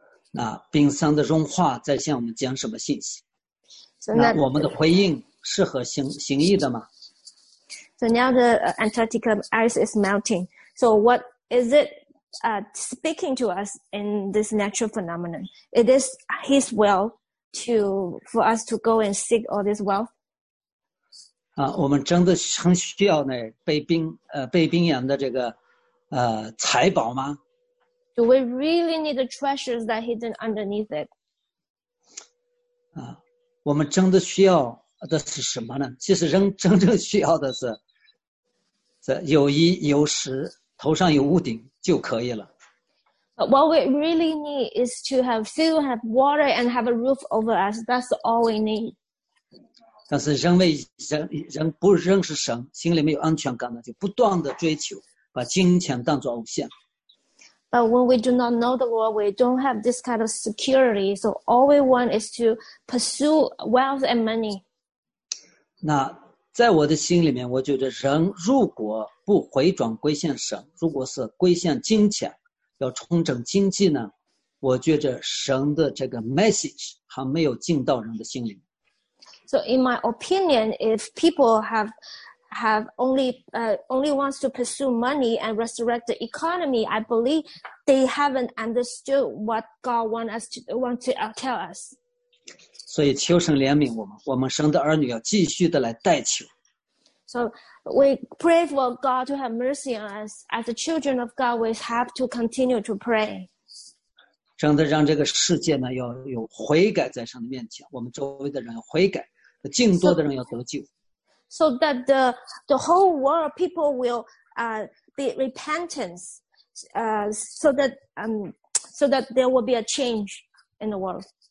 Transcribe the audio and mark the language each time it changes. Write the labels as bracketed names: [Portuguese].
[Chinese] 那冰山的融化在向我们讲什么信息？ [English] So that, [Chinese] 那我们的回应是合心意的吗？ [English] So now the Antarctica ice is melting. So what is it? Speaking to us in this natural phenomenon. It is his will for us to go and seek all this wealth. [Chinese] 我们真的很需要呢被冰洋的这个财宝吗？ [English] Do we really need the treasures that are hidden underneath it? [Chinese] 我们真的需要的是什么呢？其实人真正需要的是有衣有食，头上有屋顶就可以了。 [English] What we really need is to have food, have water, and have a roof over us. That's all we need. [Chinese] 但是人不认识神，心里没有安全感呢，就不断的追求，把金钱当作偶像。 [English] But when we do not know the Lord, we don't have this kind of security. So all we want is to pursue wealth and money. [Chinese] 那在我的心里面，我觉得人如果不回转归向神，如果是归向金钱，要重整经济呢，我觉得神的这个 message 还没有进到人的心里。 [English] So in my opinion, if people have only wants to pursue money and resurrect the economy, I believe they haven't understood what God want to tell us. [Chinese] 所以求神怜悯我们，我们神的儿女要继续的来代求。 [English] So we pray for God to have mercy on us. As the children of God, we have to continue to pray. [Chinese] 真的让这个世界呢要有悔改在神的面前，我们周围的人要悔改，更多的人要得救。 [English] So that the whole world people will be repentance, so that there will be a change in the world.